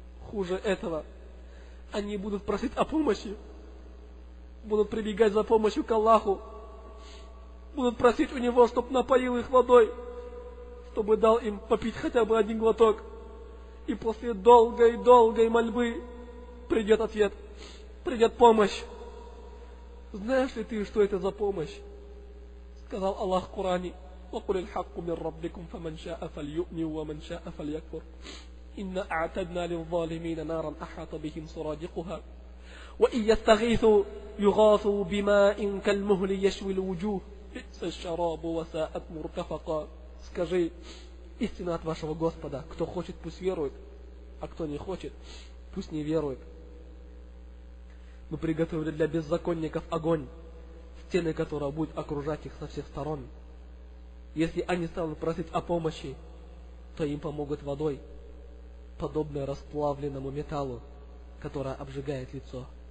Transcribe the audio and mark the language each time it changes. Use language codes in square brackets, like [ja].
[ru] Хуже этого, они будут просить о помощи, будут прибегать за помощью к Аллаху, будут просить у него, чтоб напоил их водой. чтобы дал им попить хотя бы один глоток. И после долгой мольбы придет ответ, придет помощь. Знаешь ли ты, что это за помощь? Сказал Аллах в Коране: [ar] وَقُلِ الْحَقُّ مِنْ رَبِّكُمْ فَمَنْ شَاءَ فَلْيُؤْمِنْ وَمَنْ شَاءَ فَلْيَكْفُرْ إِنَّا أَعْتَدْنَا لِلظَّالِمِينَ نَارًا أَحَاطَ بِهِمْ سُرَادِقُهَا وَإِنْ يَسْتَغِيثُوا يُغَاثُوا بِمَاءٍ كَالْمُهْلِ يَشْوِي الْوُجُوهَ بِئْسَ الشَّرَابُ وَسَاءَتْ مُرْتَفَقًا. [ru] Скажи: истина от вашего Господа, кто хочет, пусть верует, а кто не хочет, пусть не верует. Мы приготовили для беззаконников огонь, стены которого будут окружать их со всех сторон. Если они станут просить о помощи, то им помогут водой, подобной расплавленному металлу, которая обжигает лицо.